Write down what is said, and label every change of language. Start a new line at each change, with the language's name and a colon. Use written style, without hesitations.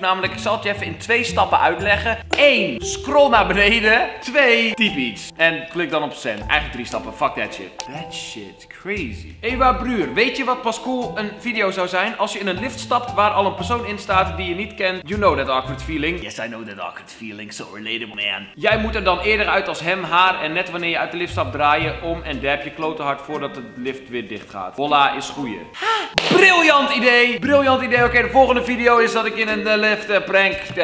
Dutch: Namelijk, ik zal het je even in 2 stappen uitleggen. 1, scroll naar beneden. 2, typ iets. En klik dan op send. Eigenlijk 3 stappen,
English: fuck that shit. That shit, crazy.
Dutch: Ewa Bruur, weet je wat pas cool een video zou zijn? Als je in een lift stapt waar al een persoon in staat die je niet kent.
English: You know that awkward feeling. Yes, I know that awkward feeling, so relatable man.
Dutch: Jij moet er dan eerder uit als hem, haar en net wanneer je uit de lift stapt draaien om en dab je klote hard voordat de lift weer dicht gaat. Voila, is goeie. Briljant idee! Briljant idee. Oké, de volgende video is dat ik in een lift prank.